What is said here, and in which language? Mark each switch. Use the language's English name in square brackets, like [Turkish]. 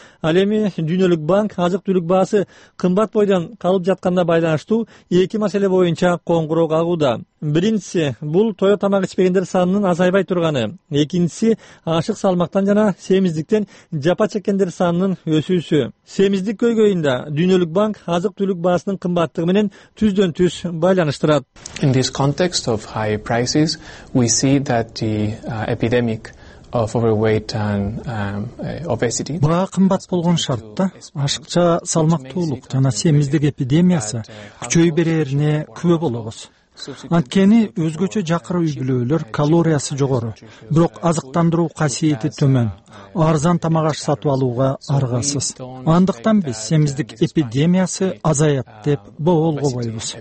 [Kyrgyz] Ал эми Дүйнөлүк банк азык түлүк баасы кымбат бойдон калып жатканына байланыштуу эки маселе боюнча коңгуроо кагууда. Биринчиси, бул тоо тамак ичпегендер санынын азайбай турганы. Экинчиси, ашык салмактан жана семиздиктен жапа чеккендер санынын өсүүсү. Семиздик көйгөйүндө Дүйнөлүк банк азык түлүк баасынын кымбаттыгы менен түздөн түз байланыштырат. [English] In this context of high prices, we see that the epidemic of overweight and obesity. [Kyrgyz] Баа кымбат болгон шартта ашыкча салмактуулук жана семиздик эпидемиясы күчөй берерине күбө болобуз. Анткени өзгөчө жакыры үй бүлөлөр калориясы жогору, бирок азыктандыруу касиети төмөн. Арзан тамак аш сатып алууга аргасыз. Андыктан биз семиздик эпидемиясы азаят деп болгойбуз.